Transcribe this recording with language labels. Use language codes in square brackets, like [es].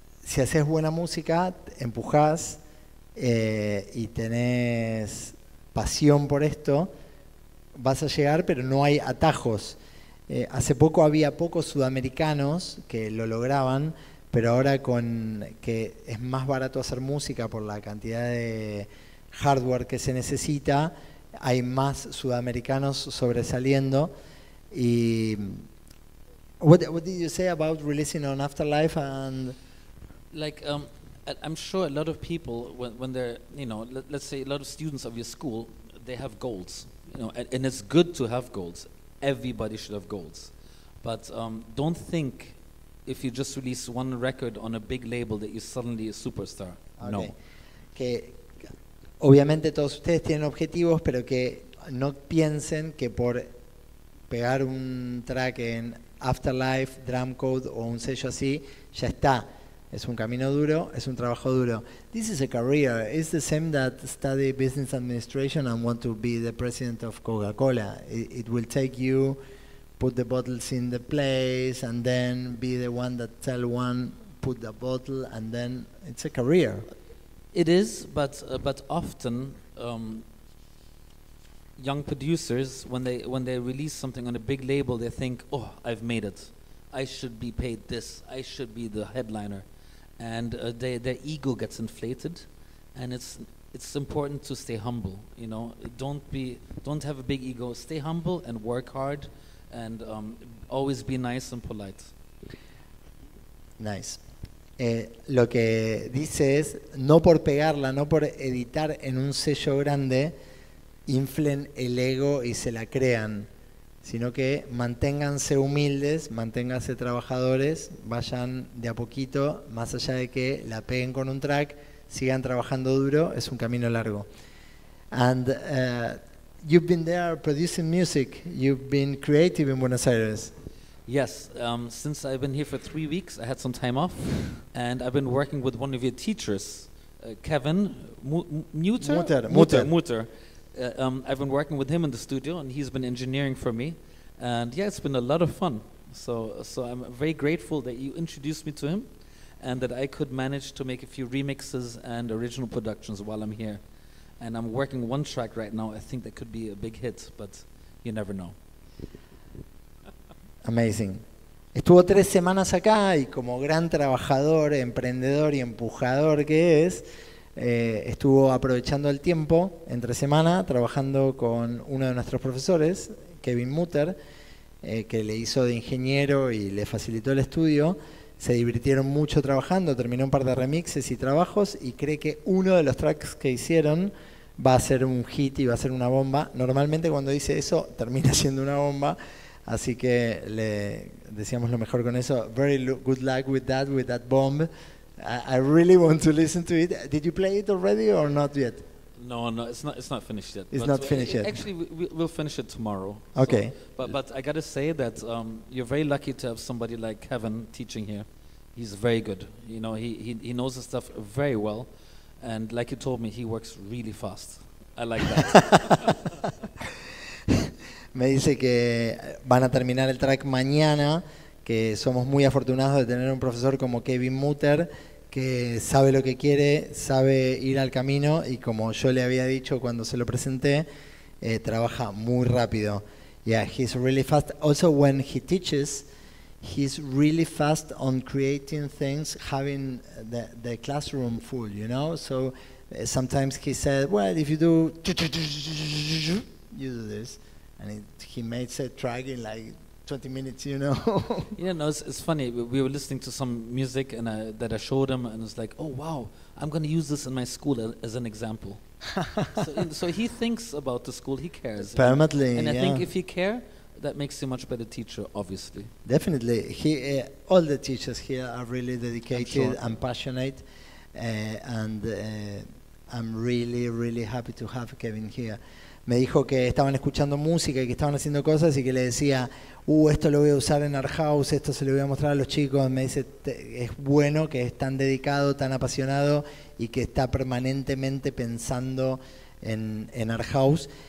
[es] Si haces buena música, empujas y tenés pasión por esto, vas a llegar, pero no hay atajos. Hace poco había pocos sudamericanos que lo lograban, pero ahora con que es más barato hacer música por la cantidad de hardware que se necesita, hay más sudamericanos sobresaliendo. [en] Y what did you say about releasing on Afterlife? And like I'm sure a lot of people when they're, you know, let's say a lot of students of your school, they have goals, you know, and it's good to have goals. Everybody should have goals, but don't think if you just release one record on a big label that you're suddenly a superstar. Okay. No. [es] Que obviamente todos ustedes tienen objetivos, pero que no piensen que por pegar un track en Afterlife, Drum Code o un sello así ya está. Es un camino duro, es un trabajo duro. [en] This is a career. It's the same that study business administration and want to be the president of Coca-Cola. It will take you, put the bottles in the place, and then be the one that tell one, put the bottle, and then it's a career. It is, but often young producers, when they release something on a big label, they think, oh, I've made it. I should be paid this. I should be the headliner. And their ego gets inflated, and it's important to stay humble. You know, don't have a big ego. Stay humble and work hard, and always be nice and polite. Nice. [es] Lo que dice es no por pegarla, no por editar en un sello grande, inflen el ego y se la crean, sino que manténganse humildes, manténganse trabajadores, vayan de a poquito, más allá de que la peguen con un track, sigan trabajando duro, es un camino largo. [en] And you've been there producing music, you've been creative in Buenos Aires. Yes, since I've been here for 3 weeks, I had some time off, and I've been working with one of your teachers, Kevin Mutter. I've been working with him in the studio, and he's been engineering for me, and yeah, it's been a lot of fun. So I'm very grateful that you introduced me to him, and that I could manage to make a few remixes and original productions while I'm here. And I'm working one track right now. I think that could be a big hit, but you never know. Amazing. [es] Estuvo 3 semanas acá, y como gran trabajador, emprendedor y empujador que es, estuvo aprovechando el tiempo entre semana trabajando con uno de nuestros profesores, Kevin Mutter, que le hizo de ingeniero y le facilitó el estudio. Se divirtieron mucho trabajando, terminó un par de remixes y trabajos, y cree que uno de los tracks que hicieron va a ser un hit y va a ser una bomba. Normalmente cuando dice eso termina siendo una bomba, así que le decíamos lo mejor con eso. [en] Very good luck with that bomb. I really want to listen to it. Did you play it already or not yet? No, it's not finished yet. It's not finished yet. Actually, we'll finish it tomorrow. Okay. So, but I got to say that you're very lucky to have somebody like Kevin teaching here. He's very good. You know, he knows the stuff very well. And like you told me, he works really fast. I like that. [es] Me dice que van a terminar el track mañana, que somos muy afortunados de tener un profesor como Kevin Mutter, que sabe lo que quiere, sabe ir al camino, y como yo le había dicho cuando se lo presenté, trabaja muy rápido. [en] Yeah, he's really fast. Also, when he teaches, he's really fast on creating things, having the classroom full, you know? So sometimes he said, well, if you do, you do this. And he made a track in like 20 minutes, you know. Yeah, no, it's funny. We were listening to some music that I showed him, and it's like, oh, wow, I'm going to use this in my school as an example. So he thinks about the school, he cares. Apparently, and yeah. I think if he cares, that makes you a much better teacher, obviously. Definitely. All the teachers here are really dedicated, sure, and passionate, and I'm really, really happy to have Kevin here. [es] me dijo que estaban escuchando música y que estaban haciendo cosas y que le decía, esto lo voy a usar en Art House, esto se lo voy a mostrar a los chicos. Me dice, es bueno que es tan dedicado, tan apasionado y que está permanentemente pensando en Art House.